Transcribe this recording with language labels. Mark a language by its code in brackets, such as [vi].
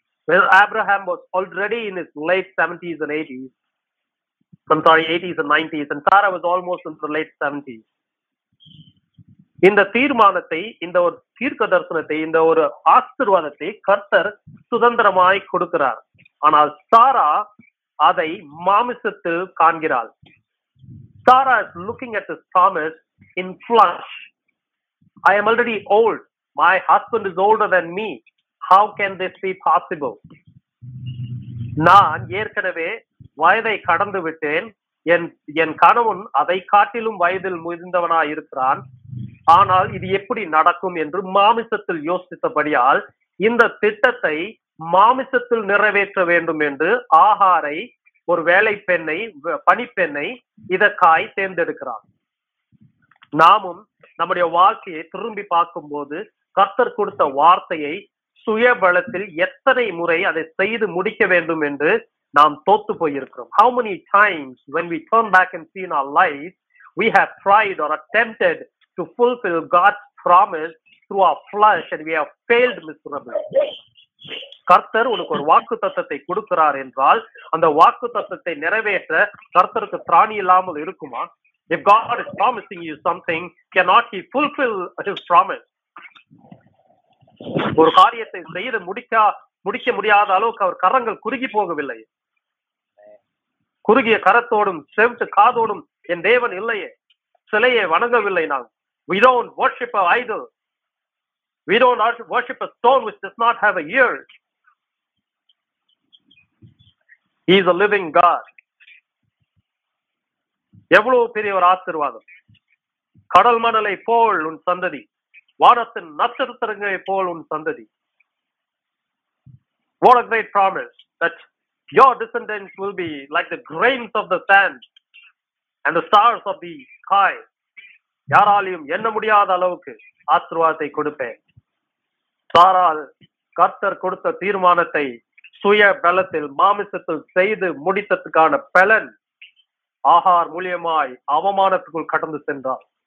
[en] Well, Abraham was already in his late 70s and 80s. I'm sorry, 80s and 90s. And Sarah was almost in the late 70s. [ta] இந்த தீர்மானத்தை, இந்த ஒரு தீர்க்க தரிசனத்தை, இந்த ஒரு ஆசீர்வாதத்தை கர்த்தர் சுதந்திரமாய் கொடுக்கிறார். ஆனால் சாரா அதை மாமிசத்தில் காண்கிறாள். [en] Sarah is looking at this promise in flesh. I am already old, my husband is older than me, how can this be possible, [ta] நான் ஏற்கனவே வயதை கடந்து விட்டேன், என் கணவன் அதை காட்டிலும் வயதில் முதிர்ந்தவனாய் இருக்கிறான், ஆனால் இது எப்படி நடக்கும் என்று மாமிசத்தில் யோசித்தபடியால் இந்த திட்டத்தை மாமிசத்தில் நிறைவேற்ற வேண்டும் என்று ஆகாரை ஒரு வேலை பெண்ணை பணிப்பெண்ணை இதற்காய் தேர்ந்தெடுக்கிறான். நாமும் நம்முடைய வாழ்க்கையை திரும்பி பார்க்கும் போது கர்த்தர் கொடுத்த வார்த்தையை சுயபலத்தில் எத்தனை முறை அதை செய்து முடிக்க வேண்டும் என்று நாம் தோத்து போயிருக்கிறோம். [en] How many times when we turn back and see in our lives, we have tried or attempted to fulfill God's promise through our flesh and we have failed miserably. [ta] கர்த்தர் உனக்கு ஒரு வாக்கு தத்தத்தை கொடுக்கிறார் என்றால் அந்த வாக்கு தத்தத்தை நிறைவேற்ற கர்த்தருக்கு திராணி இல்லாமல் இருக்குமா? [en] If God is promising you something, cannot he fulfill his promise? [ta] ஒரு காரியத்தை செய்து முடிக்க முடியாத அளவுக்கு அவர் கரங்கள் குறுகி போகவில்லை. குறுகிய கரத்தோடும் செவ்த்து காதோடும் என் தேவன் இல்லையே, சிலையை வணங்கவில்லை நான். [en] We don't worship a idol. We don't worship a stone which does not have a ear. He is a living God. [ta] எவ்வளவு பெரிய ஒரு ஆசீர்வாதம். கடல் மணலை போல் உன் சந்ததி, வானத்தின் நட்சத்திரங்களை போல் உன் சந்ததி. [en] What a great promise that your descendants will be like the grains of the sand and the stars of the sky. [ta] யாராலையும் எண்ண முடியாத அளவுக்கு ஆசீர்வாதத்தை கொடுப்பேன். சாரால் கர்த்தர் கொடுத்த தீர்மானத்தை சுய பலத்தில் மாமிசத்தில் செய்து முடித்ததற்கான பலன் ஆகார் மூலியமாய் அவமானத்துக்குள் கடந்து சென்றார்.